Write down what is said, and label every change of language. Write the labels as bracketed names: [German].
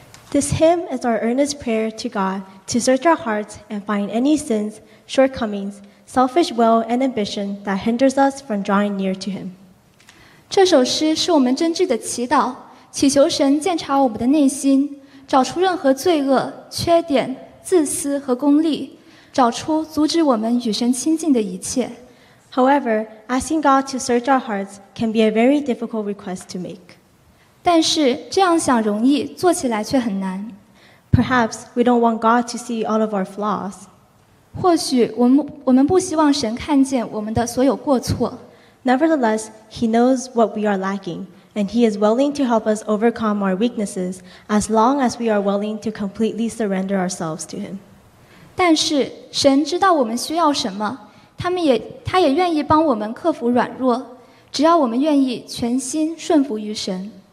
[English] This hymn is our earnest prayer to God to search our hearts and find any sins, shortcomings, selfish will and ambition that hinders us from drawing near to Him. [Chinese] 这首诗是我们真挚的祈祷，祈求神鉴察我们的内心，找出任何罪恶、缺点、自私和功利，找出阻止我们与神亲近的一切。 [English] However, asking God to search our hearts can be a very difficult request to make. [Chinese] 但是这样想容易，做起来却很难。 [English] Perhaps we don't want God to see all of our flaws. [Chinese] 或许我们不希望神看见我们的所有过错。 [English] Nevertheless, He knows what we are lacking, and He is willing to help us overcome our weaknesses as long as we are willing to completely surrender ourselves to Him. [Chinese] 但是神知道我们需要什么，他也愿意帮我们克服软弱，只要我们愿意全心顺服于神。